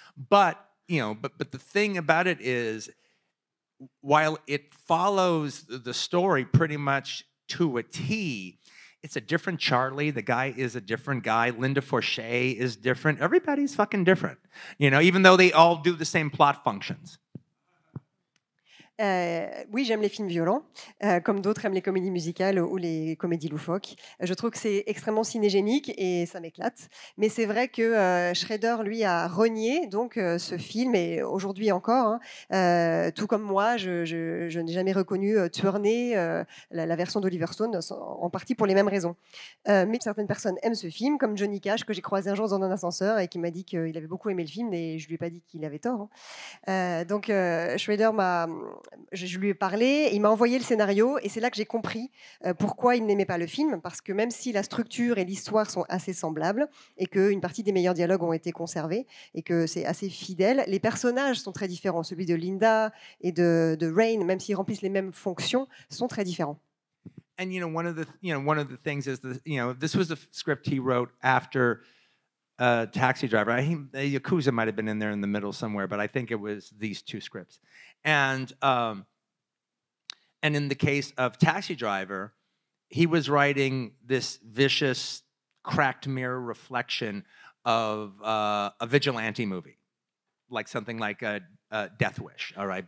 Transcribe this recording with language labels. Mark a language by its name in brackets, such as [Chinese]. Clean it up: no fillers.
[English] But, you know, but the thing about it is, while it follows the story pretty much to a T, it's a different Charlie. The guy is a different guy. Linda Forche is different. Everybody's fucking different, you know, even though they all do the same plot functions. [French] Oui, j'aime les films violents, comme d'autres aiment les comédies musicales ou les comédies loufoques. Je trouve que c'est extrêmement cinégénique et ça m'éclate. Mais c'est vrai que Schrader, lui, a renié donc, ce film, et aujourd'hui encore, hein, tout comme moi, je n'ai jamais reconnu tourner la version d'Oliver Stone, en partie pour les mêmes raisons. Mais certaines personnes aiment ce film, comme Johnny Cash, que j'ai croisé un jour dans un ascenseur et qui m'a dit qu'il avait beaucoup aimé le film, et je ne lui ai pas dit qu'il avait tort. Hein. Schrader m'a... Je lui ai parlé, il m'a envoyé le scénario et c'est là que j'ai compris pourquoi il n'aimait pas le film, parce que même si la structure et l'histoire sont assez semblables et qu'une partie des meilleurs dialogues ont été conservés et que c'est assez fidèle, les personnages sont très différents. Celui de Linda et de Rain, même s'ils remplissent les mêmes fonctions, sont très différents. [English] And you know, one of the things is that, you know, this was the script he wrote after Taxi Driver. Yakuza might have been in there in the middle somewhere, but I think it was these two scripts. And in the case of Taxi Driver, he was writing this vicious, cracked mirror reflection of a vigilante movie, like something like a Death Wish, all right?